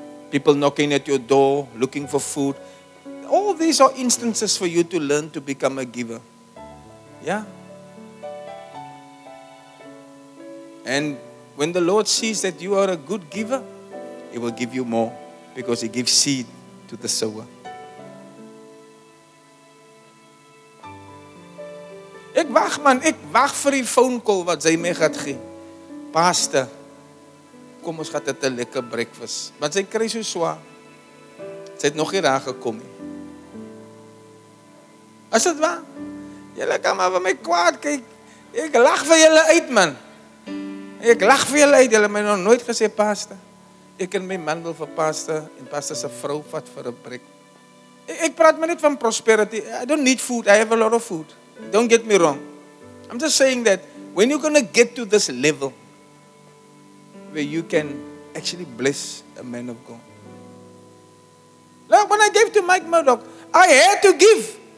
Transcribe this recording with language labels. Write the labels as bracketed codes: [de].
[en] People knocking at your door, looking for food. All these are instances for you to learn to become a giver. Yeah? And when the Lord sees that you are a good giver, He will give you more because He gives seed to the sower. [af] Ek wag man, ek wag vir die phone call wat jy my gaat gee. Pastor, kom ons gaat dit 'n lekker breakfast. Want sy kry so swaar. Sy het nog nie daar gekom nie. As dit waar? Julle kan maar vir my kwaad kyk. Ek lag vir julle uit, man. Ek lag vir julle uit. Julle het my nog nooit gesê, Pastor. Ek en my man wil vir Pastor en Pastor se vrou vat vir 'n breakfast. Ek praat maar net van prosperity. [en] I don't need food. I have a lot of food. Don't get me wrong. I'm just saying that when you're going to get to this level, where you can actually bless a man of God. Like when I gave to Mike Murdoch, I had to give.